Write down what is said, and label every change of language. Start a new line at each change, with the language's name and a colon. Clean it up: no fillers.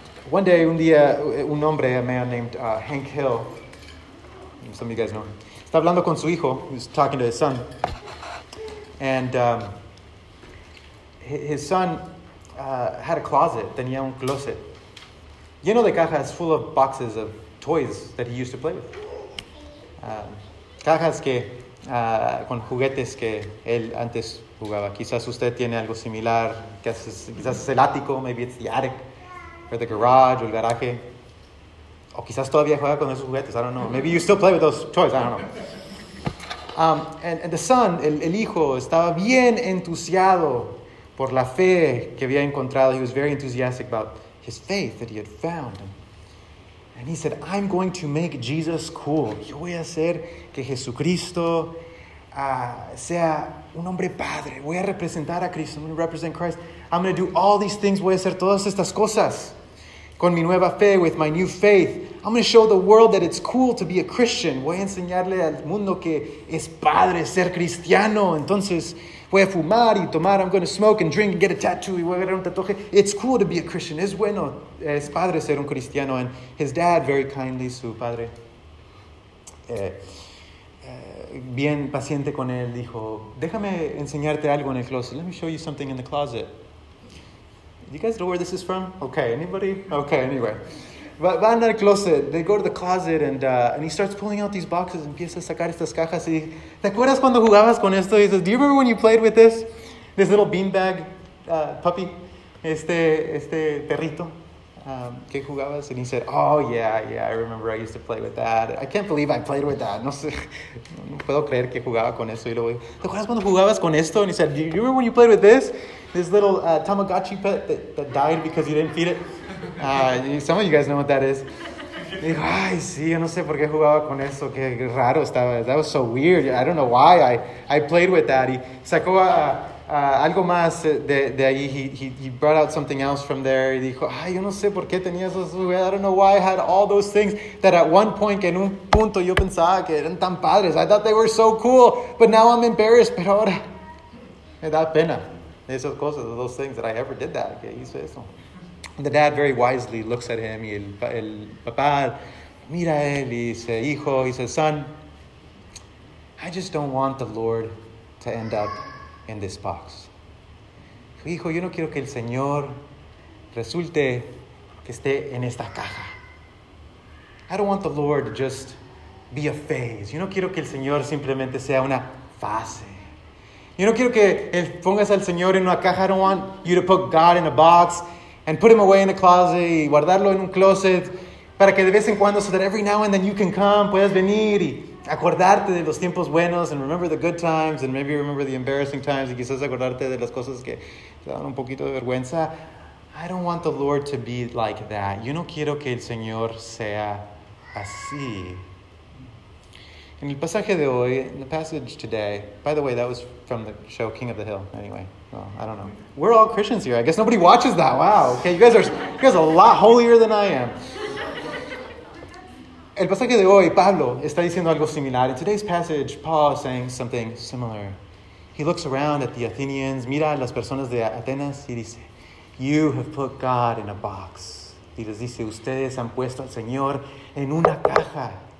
English: One day,
Spanish: un día, un hombre,
English: a man named Hank Hill, some of you guys know him,
Spanish: está hablando con su hijo,
English: he's talking to his son, and his son had a closet,
Spanish: tenía un closet, lleno de cajas
English: full of boxes of toys that he used to play with.
Spanish: Cajas que, con juguetes que él antes jugaba. Quizás usted tiene algo similar, quizás es el ático,
English: maybe it's the attic, or the garage, or
Spanish: el garaje. O quizás todavía juega con esos juguetes,
English: I don't know. Maybe you still play with those toys, I don't know. And the son,
Spanish: el hijo, estaba bien entusiasmado por la fe que había encontrado.
English: He was very enthusiastic about his faith that he had found. And he said, "I'm going to make Jesus cool.
Spanish: Yo voy a hacer que Jesucristo sea un hombre padre. Voy a representar a Cristo.
English: I'm going to represent Christ. I'm going to do all these things.
Spanish: Voy a hacer todas estas cosas. Con mi nueva fe,
English: with my new faith, I'm going to show the world that it's cool to be a Christian.
Spanish: Voy a enseñarle al mundo que es padre ser cristiano. Entonces, voy a fumar y tomar.
English: I'm going to smoke and drink and get a tattoo.
Spanish: Y voy a agarrar un tatuaje.
English: It's cool to be a Christian.
Spanish: Es bueno. Es padre ser un cristiano.
English: And his dad, very kindly,
Spanish: su padre, bien paciente con él, dijo, déjame enseñarte algo en el closet.
English: Let me show you something in the closet. You guys know where this is from? Okay, anybody? Okay, anyway. But
Spanish: van al closet.
English: They go to the closet and he starts pulling out these boxes.
Spanish: Empieza a sacar estas cajas. Y, ¿te acuerdas cuando jugabas con esto?
English: He says, do you remember when you played with this? This little beanbag puppy.
Spanish: Este perrito. Que jugabas?
English: And he said, oh, yeah, I remember I used to play with that. I can't believe I played with that.
Spanish: No sé. No puedo creer que jugaba con eso. Y luego, ¿te acuerdas cuando jugabas con esto?
English: And he said, do you remember when you played with this? This little Tamagotchi pet that died because you didn't feed it. Some of you guys know what that is.
Spanish: Y dijo, ay, sí, yo no sé por qué jugaba con eso. Qué raro estaba.
English: That was so weird. I don't know why I played with that.
Spanish: Y sacó algo más de ahí.
English: He brought out something else from there.
Spanish: Y dijo, ay, yo no sé por qué tenía esos.
English: I don't know why I had all those things that at one point,
Spanish: que en un punto yo pensaba que eran tan padres.
English: I thought they were so cool. But now I'm embarrassed.
Spanish: Pero ahora me da pena. Esas cosas,
English: those things that I ever did that.
Spanish: Que hizo eso.
English: The dad very wisely looks at him,
Spanish: y el papá mira a él y dice, hijo,
English: he says, son, I just don't want the Lord to end up in this box.
Spanish: Hijo, yo no quiero que el Señor resulte que esté en esta caja.
English: I don't want the Lord to just be a phase.
Spanish: Yo no quiero que el Señor simplemente sea una fase. Yo no quiero que él pongas al Señor en una caja.
English: I don't want you to put God in a box and put him away in a closet,
Spanish: y guardarlo en un closet, para que de vez en cuando,
English: so that every now and then you can come,
Spanish: puedas venir y acordarte de los tiempos buenos,
English: and remember the good times, and maybe remember the embarrassing times,
Spanish: y quizás acordarte de las cosas que te dan un poquito de vergüenza.
English: I don't want the Lord to be like that.
Spanish: Yo no quiero que el Señor sea así. En el pasaje de hoy,
English: in the passage today, by the way, that was from the show King of the Hill, anyway. Well, I don't know. We're all Christians here. I guess nobody watches that. Wow. Okay, you guys are a lot holier than I am.
Spanish: El pasaje de hoy, Pablo está diciendo algo similar.
English: In today's passage, Paul is saying something similar. He looks around at the Athenians,
Spanish: mira a las personas de Atenas, y dice,
English: you have put God in a box.
Spanish: Y les dice, ustedes han puesto al Señor en una caja.